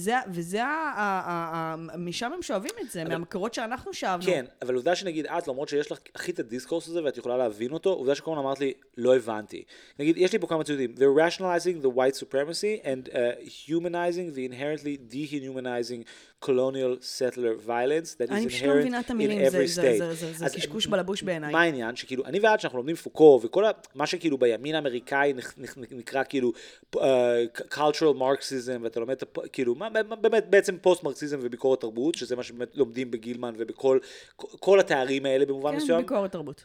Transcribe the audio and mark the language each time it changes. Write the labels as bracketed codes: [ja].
[he] וזה משם הם שואבים את זה, מהמקורות שאנחנו שאבנו. כן, אבל עובדה שנגיד את, למרות שיש לך הכי את הדיסקורס הזה ואת יכולה להבין אותו, עובדה שכל מיני אמרת לי, לא הבנתי. נגיד, יש לי פה כמה ציודים. [en] They're rationalizing the white supremacy and humanizing the inherently dehumanizing colonial settler violence that is inherent in every state. [he] זה קשקוש בלבוש בעיניי. מה העניין? שכאילו, אני ועד שאנחנו לומדים פוקו, וכל מה שכאילו בימין האמריקאי נקרא כאילו cultural marxism, ואתה לומד כאילו, באמת בעצם פוסט-מרקסיזם וביקורת תרבות, שזה מה שבאמת לומדים בגילמן ובכל התארים האלה במובן מסוים. כן, ביקורת תרבות.